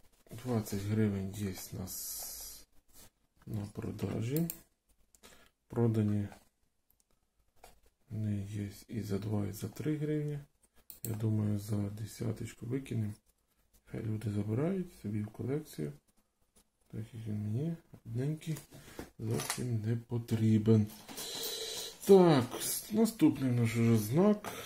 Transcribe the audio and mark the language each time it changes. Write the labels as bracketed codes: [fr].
[ru] 20 гривен есть у нас на продаже. Продані не есть и за 2, и за 3 гривні. Я думаю, за десяточку выкинем. [uk] Хай люди забирають собі в колекцію. Так як він мені одненький зовсім не потрібен. Так, наступний наш уже знак.